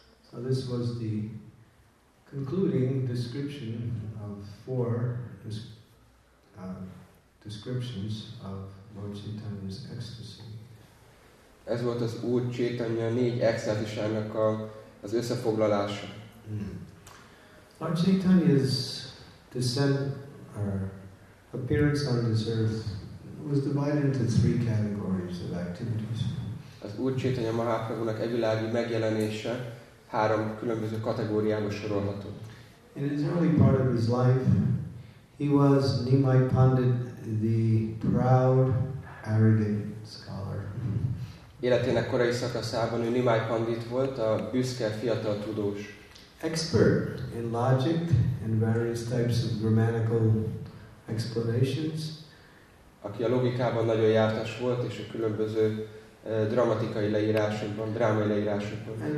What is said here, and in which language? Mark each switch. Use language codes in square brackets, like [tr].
[en] So this was the concluding description of 4 descriptions of Lord Chaitanya's ecstasy. [hu] Ez volt az Úr Chaitanya 4 extázisának az összefoglalása. [en] Lord Chaitanya's descent or appearance on this earth was divided into 3 categories of activities. [hu] Az Úr Chaitanya Mahaprabhunak e világi megjelenése 3 különböző kategóriába sorolható. [en] In his early part of his life, he was Nimai Pandit, the proud, arrogant scholar. [hu] Életének korai szakaszában ő Nimai Pandit volt, a büszke fiatal tudós. [en] Expert in logic and various types of grammatical explanations. [hu] Aki a logikában nagyon jártas volt és a különböző dramatikai leírásokban, drámai leírásokban.